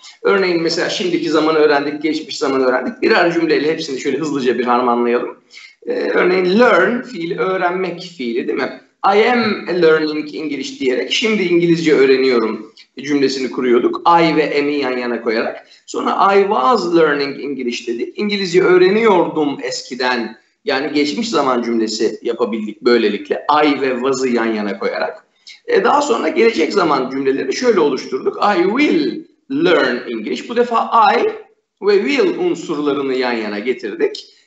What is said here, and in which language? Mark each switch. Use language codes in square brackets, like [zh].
[tr] Örneğin mesela şimdiki zamanı öğrendik, geçmiş zamanı öğrendik. Birer cümleyle hepsini şöyle hızlıca bir harmanlayalım. Örneğin learn fiili, öğrenmek fiili değil mi? [en] I am learning English [tr] diyerek şimdi İngilizce öğreniyorum cümlesini kuruyorduk. I ve am'i yan yana koyarak. Sonra [en] I was learning English [tr] dedik. İngilizce öğreniyordum eskiden. Yani geçmiş zaman cümlesi yapabildik böylelikle. I ve was'ı yan yana koyarak. Daha sonra gelecek zaman cümleleri şöyle oluşturduk. [en] I will learn English. [tr] Bu defa I ve will unsurlarını yan yana getirdik.